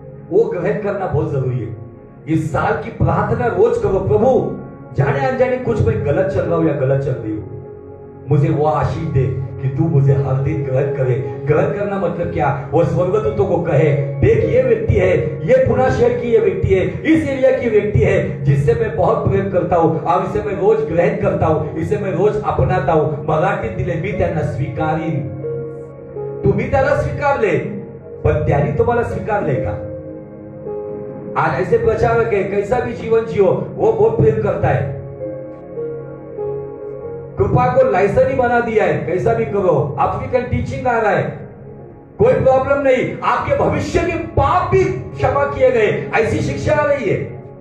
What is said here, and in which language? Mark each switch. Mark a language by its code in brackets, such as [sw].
[hi] वो ग्रहण करना बहुत जरूरी है। इस साल की प्रार्थना रोज करो, प्रभु जाने अनजाने कुछ मैं गलत चल रहा हूं या गलत चल रही हूं, मुझे वो आशीष दे कि तू मुझे हर दिन ग्रहण करे। ग्रहण करना मतलब क्या? वो स्वर्गदूतों को कहे, देख ये व्यक्ति है, ये पुणे शहर की ये व्यक्ति है, इस एरिया की व्यक्ति है, जिससे मैं बहुत प्रेम करता हूँ और इसे मैं रोज ग्रहण करता हूँ, इसे मैं रोज अपनाता हूँ। [mr] मराठी दिले मी त्यांना स्वीकारीन। तुम्ही त्याला स्वीकारले पण त्यांनी तुम्हाला स्वीकारले का? [hi] आज ऐसे प्रचारक है, कैसा भी जीवन जियो वो बहुत प्रेम करता है, कृपा को लाइसेंस ही बना दिया है, कैसा भी करो अफ्रीकन टीचिंग आ रहा है कोई प्रॉब्लम नहीं, आपके भविष्य के पाप भी क्षमा किए गए, ऐसी शिक्षा आ रही है।